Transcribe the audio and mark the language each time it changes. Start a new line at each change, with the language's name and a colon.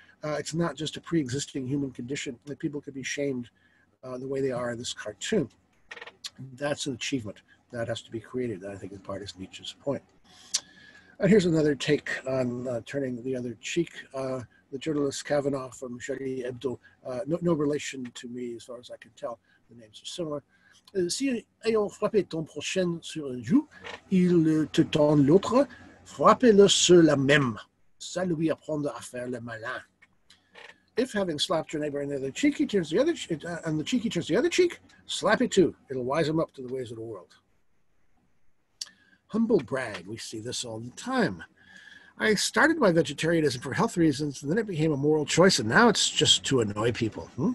English: It's not just a pre-existing human condition that people could be shamed the way they are in this cartoon. That's an achievement that has to be created. That, I think, in part is Nietzsche's point. And here's another take on turning the other cheek. The journalist Kavanaugh from Shari Ebdo, no relation to me as far as I can tell, the names are similar.
French: Si ayant frappé ton prochain sur une joue, il te tend l'autre, frappez-le sur la même. Ça lui apprendra à faire le malin.
English: If having slapped your neighbor in the other cheek, he turns the other and the cheek he turns the other cheek, slap it too. It'll wise him up to the ways of the world. Humble brag, we see this all the time. I started my vegetarianism for health reasons, and then it became a moral choice, and now it's just to annoy people.